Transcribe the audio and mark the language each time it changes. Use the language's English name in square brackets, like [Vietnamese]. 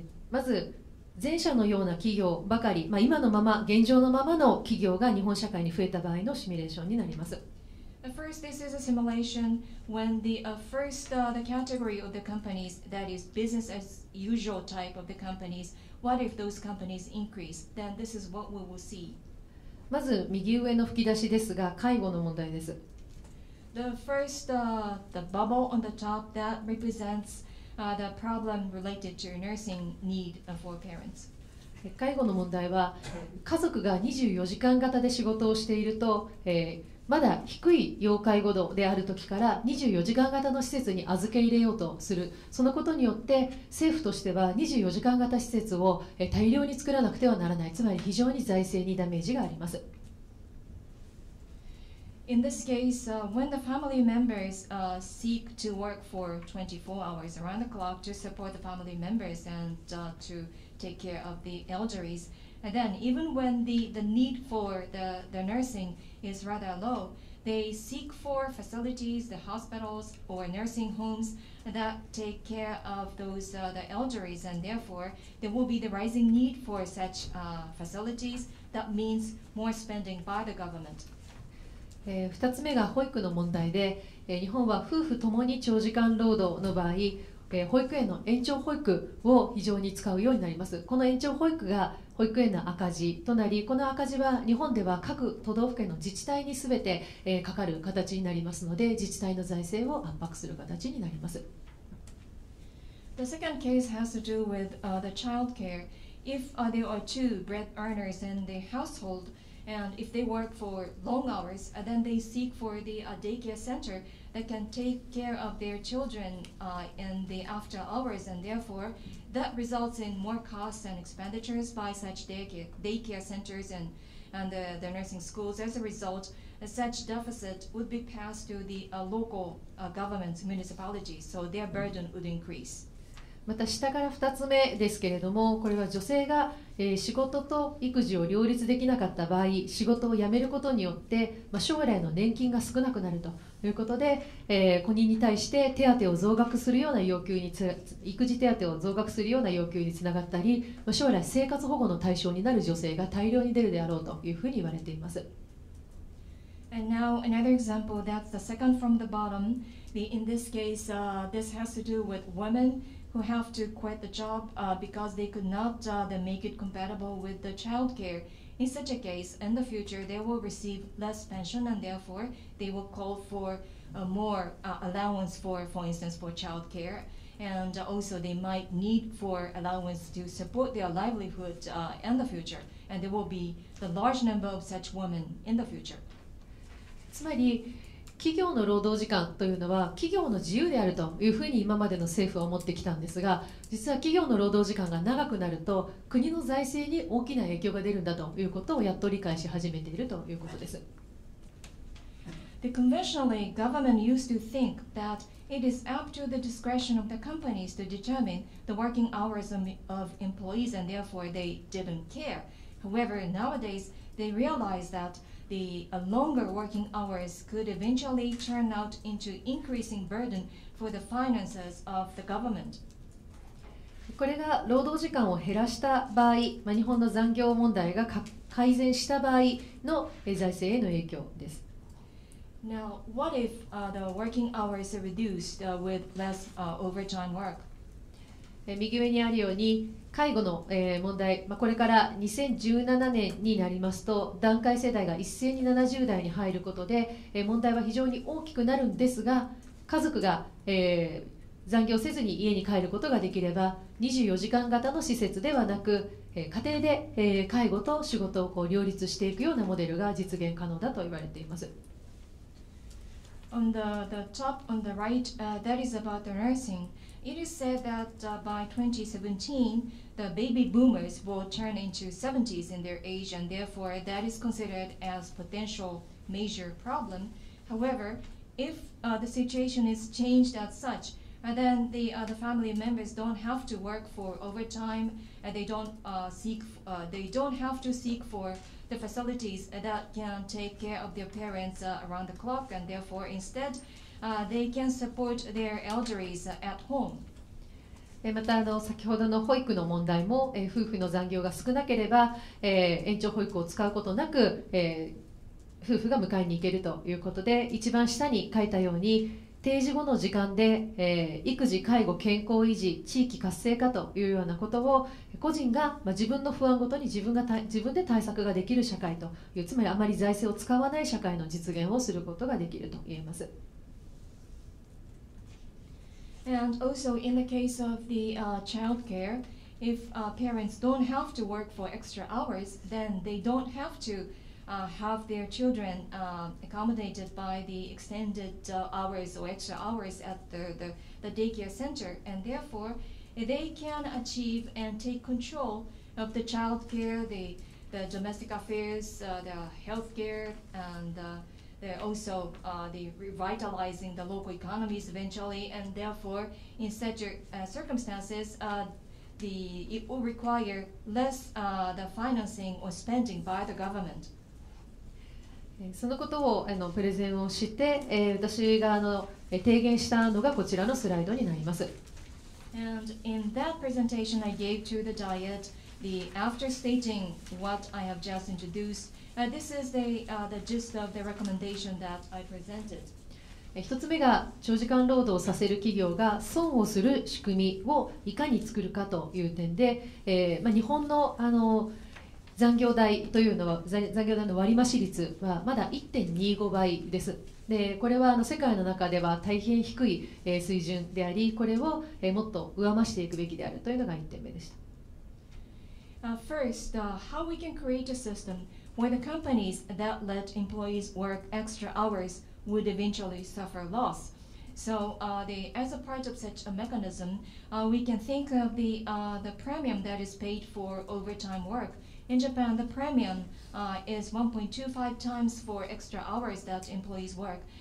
[Japanese] まず前者のような企業ばかり、今のまま現状のままの企業が日本社会に増えた場合のシミュレーションになります。 [English] First, this is a simulation when the first the category of the companies that is business as usual type of the companies. What if those companies increase? Then this is what we will see. [Japanese] まず右上の吹き出しですが、介護の問題です。 [English] The first the bubble on the top that represents the problem related to nursing need for parents. [Japanese] 介護の問題は、家族が24時間型で仕事をしていると、まだ低い要介護度であるときから24時間型の施設に預け入れようとする、そのことによって政府としては24時間型施設を大量に作らなくてはならない、つまり非常に財政にダメージがあります。 [English] In this case, when the family members seek to work for 24 hours around the clock to support the family members and to take care of the elderly, and then even when the need for the nursing is rather low, they seek for facilities, the hospitals or nursing homes that take care of those the elderly, and therefore there will be the rising need for such facilities. That means more spending by the government. [Japanese] 2つ目が保育の問題で、日本は夫婦ともに長時間労働の場合、保育園の延長保育を非常に使うようになります。この延長保育が保育園の赤字となり、この赤字は日本では各都道府県の自治体にすべて、かかる形になりますので、自治体の財政を圧迫する形になります。 [English] The second case has to do with the child care. If there are two bread earners in the householdAnd if they work for long hours, then they seek for the daycare center that can take care of their children in the after hours. And therefore, that results in more costs and expenditures by such daycare centers and the nursing schools. As a result, such deficit would be passed to the local governments, municipalities, so their burden would increase. [Japanese] また下から2つ目ですけれども、これは女性が仕事と育児を両立できなかった場合、仕事を辞めることによって将来の年金が少なくなるということで、子人に対して手当を増額するような要求に、育児手当を増額するような要求につながったり、将来生活保護の対象になる女性が大量に出るであろうというふうに言われています。 [English] And now another example, that's the second from the bottom. In this case, this has to do with womenwho have to quit the job because they could not then make it compatible with the child care. In such a case, in the future, they will receive less pension, and therefore they will call for more allowance for instance, for child care. And also they might need for allowance to support their livelihood in the future. And there will be the large number of such women in the future. [Japanese] つまり企業の労働時間というのは企業の自由であるというふうに今までの政府は思ってきたんですが、実は企業の労働時間が長くなると国の財政に大きな影響が出るんだということをやっと理解し始めているということです。 [English] The conventionally, government used to think that it is up to the discretion of the companies to determine the working hours of employees, and therefore they didn't care. However, nowadays they realize thatThe longer working hours could eventually turn out into increasing burden for the finances of the government. [Japanese] これが労働時間を減らした場合、日本の残業問題が改善した場合の財政への影響です。 [English] Now, what if the working hours are reduced with less overtime work? [Japanese] 右上にあるように介護の問題、これから2017年になりますと団塊世代が一斉に70代に入ることで問題は非常に大きくなるんですが、家族が残業せずに家に帰ることができれば、24時間型の施設ではなく家庭で介護と仕事をこう両立していくようなモデルが実現可能だと言われています。 [English] On the top on the right, that is about the nursingIt is said that by 2017, the baby boomers will turn into 70s in their age, and therefore that is considered as potential major problem. However, if the situation is changed as such, then the family members don't have to work for overtime, and they don't have to seek for the facilities that can take care of their parents around the clock, and therefore instead,they can support their elderly at home. [Japanese] また先ほどの保育の問題も、夫婦の残業が少なければ、延長保育を使うことなく、夫婦が迎えに行けるということで、一番下に書いたように定時後の時間で、育児介護健康維持地域活性化というようなことを個人が、自分の不安ごとに自分で対策ができる社会という、つまりあまり財政を使わない社会の実現をすることができると言えます。 [English] And also in the case of the child care, if parents don't have to work for extra hours, then they don't have to have their children accommodated by the extended hours or extra hours at the daycare center. And therefore, they can achieve and take control of the child care, the domestic affairs, the health care, and also the revitalizing the local economies eventually, and therefore in such circumstances it will require less the financing or spending by the government. [Japanese] そのことをプレゼンをして私が提言したのがこちらのスライドになります。 [English] And in that presentation I gave to the Diet, the after stating what I have just introduced, this is the gist of the recommendation that I presented. [Japanese] 一つ目が長時間労働をさせる企業が損をする仕組みをいかに作るかという点で、日本の残業代というのは残業代の割増率はまだ 1.25 倍です。でこれは世界の中では大変低い水準であり、これをもっと上増していくべきであるというのが1点目でした。 [English] First, how we can create a system where the companies that let employees work extra hours would eventually suffer loss. So as a part of such a mechanism, we can think of the premium that is paid for overtime workIn Japan, the premium is 1.25 times for extra hours that employees work.